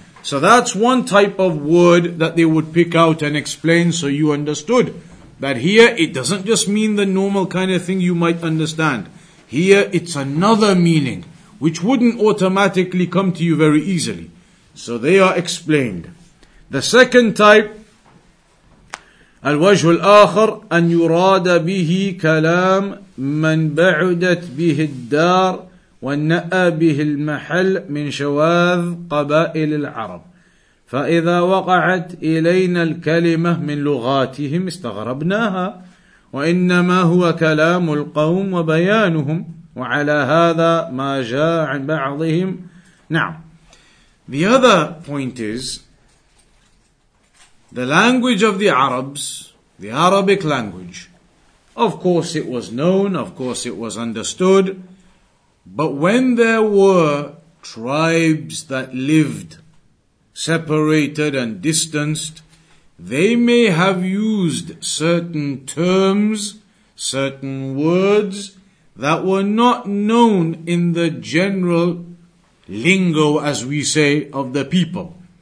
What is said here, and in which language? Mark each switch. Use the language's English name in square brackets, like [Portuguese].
[English] So that's one type of word that they would pick out and explain so you understood. That here it doesn't just mean the normal kind of thing you might understand. Here it's another meaning which wouldn't automatically come to you very easily. So they are explained. The second type, [Arabic] الوجه الآخر أن يراد به كلام من بعدت به الدار والنأى به المحل من شواذ قبائل العرب فإذا وقعت إلينا الكلمة من لغاتهم استغربناها وإنما هو كلام القوم وبيانهم وعلى هذا ما جاء عن بعضهم. [English] Now, the other point is, the language of the Arabs, the Arabic language, of course it was known, of course it was understood, but when there were tribes that lived separated and distanced, they may have used certain terms, certain words that were not known in the general lingo, as we say, of the people.